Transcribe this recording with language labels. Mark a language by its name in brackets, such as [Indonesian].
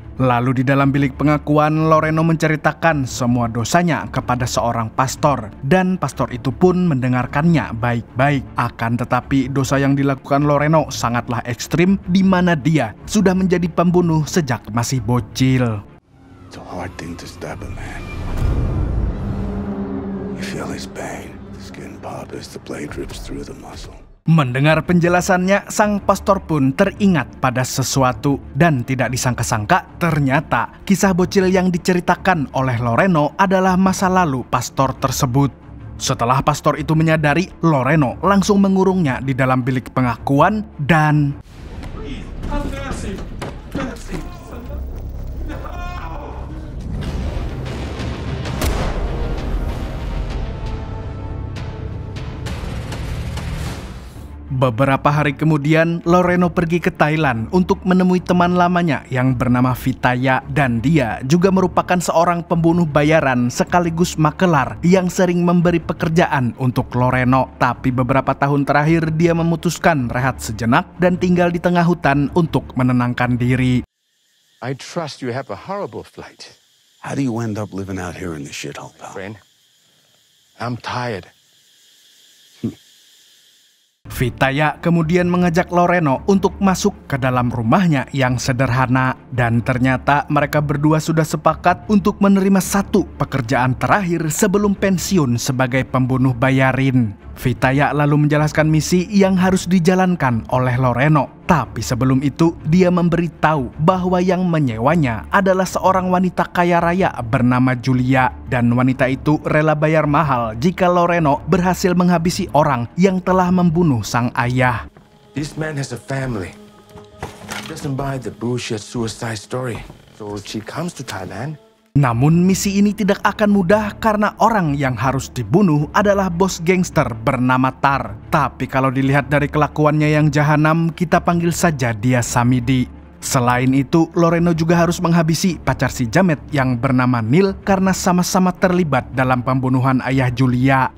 [Indonesian] Lalu di dalam bilik pengakuan, Loreno menceritakan semua dosanya kepada seorang pastor. Dan pastor itu pun mendengarkannya baik-baik. Akan tetapi dosa yang dilakukan Loreno sangatlah ekstrim di mana dia sudah menjadi pembunuh sejak masih bocil. [English] It's a hard thing to stab a man. You feel his pain. The skin pops as the blade rips through the muscle. [Indonesian] Mendengar penjelasannya, sang pastor pun teringat pada sesuatu. Dan tidak disangka-sangka, ternyata kisah bocil yang diceritakan oleh Loreno adalah masa lalu pastor tersebut. Setelah pastor itu menyadari, Loreno langsung mengurungnya di dalam bilik pengakuan dan... Beberapa hari kemudian, Loreno pergi ke Thailand untuk menemui teman lamanya yang bernama Vitaya. Dan dia juga merupakan seorang pembunuh bayaran sekaligus makelar yang sering memberi pekerjaan untuk Loreno. Tapi beberapa tahun terakhir, dia memutuskan rehat sejenak dan tinggal di tengah hutan untuk menenangkan diri. [English] I trust you have a horrible flight. How do you end up living out here in this shithole, pal? Friend, I'm tired. [Indonesian] Vitaya kemudian mengajak Loreno untuk masuk ke dalam rumahnya yang sederhana. Dan ternyata mereka berdua sudah sepakat untuk menerima satu pekerjaan terakhir sebelum pensiun sebagai pembunuh bayarin. Vitaya lalu menjelaskan misi yang harus dijalankan oleh Loreno. Tapi sebelum itu, dia memberitahu bahwa yang menyewanya adalah seorang wanita kaya raya bernama Julia. Dan wanita itu rela bayar mahal jika Loreno berhasil menghabisi orang yang telah membunuh sang ayah. [English] This man has a family. He doesn't buy the bullshit suicide story. So she comes to Thailand. [Indonesian] Namun misi ini tidak akan mudah karena orang yang harus dibunuh adalah bos gangster bernama Tar. Tapi kalau dilihat dari kelakuannya yang jahanam, kita panggil saja dia Samidi. Selain itu, Loreno juga harus menghabisi pacar si Jamet yang bernama Neil karena sama-sama terlibat dalam pembunuhan ayah Julia.